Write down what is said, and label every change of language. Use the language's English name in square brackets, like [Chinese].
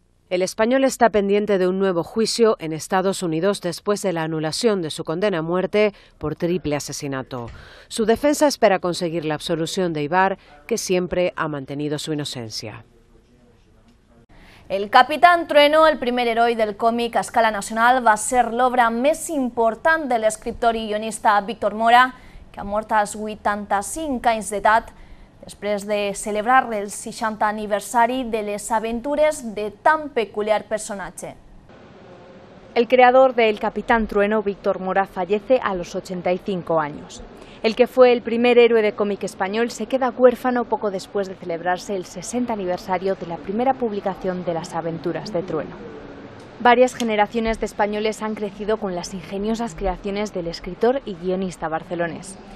[Spanish] El español está pendiente de un nuevo juicio en Estados Unidos después de la anulación de su condena a muerte por triple asesinato. Su defensa espera conseguir la absolución de Ibar, que siempre ha mantenido su inocencia. [Catalan] El Capitán Trueno, el primer heroi del còmic a escala nacional, va ser l'obra més important de l'escriptor i guionista Víctor Mora, que ha mort als 85 anys d'edat, després de celebrar el 60 aniversari de les aventures de tan peculiar personatge. [Spanish] El creador del Capitán Trueno, Víctor Mora, fallece a los 85 años. El que fue el primer héroe de cómic español se queda huérfano poco después de celebrarse el 60 aniversario de la primera publicación de Las aventuras de Trueno. Varias generaciones de españoles han crecido con las ingeniosas creaciones del escritor y guionista barcelonés.